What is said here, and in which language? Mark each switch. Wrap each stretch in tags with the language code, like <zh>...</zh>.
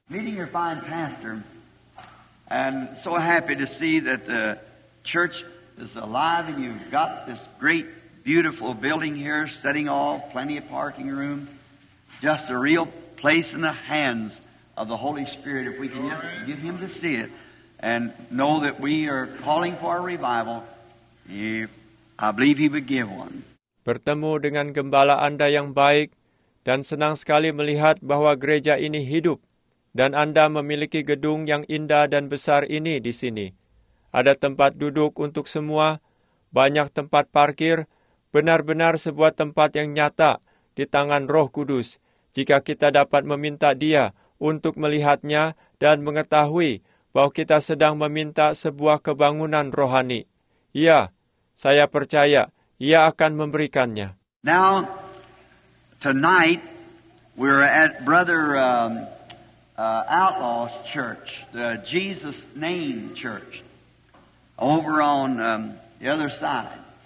<en>Meeting your fine pastor, and so happy to see that the church is alive and you've got this great beautiful building here, setting off, plenty of parking room, just a real place in the hands of the Holy Spirit. If we can just get Him to see it and know that we are calling for a revival, I believe He would give one.</en> <id>Bertemu dengan gembala Anda yang baik dan senang sekali melihat bahwa gereja ini hidup dan Anda memiliki gedung yang indah dan besar ini di sini. Ada tempat duduk untuk semua, banyak tempat parkir, benar-benar sebuah tempat yang nyata di tangan Roh Kudus. Jika kita dapat meminta Dia untuk melihatnya dan mengetahui bahwa kita sedang meminta sebuah kebangunan rohani. Ya, saya percaya Ia akan memberikannya.</id> <en>Now, tonight, we're at Brother Outlaw's church, the Jesus Name Church, over on the other side.</en>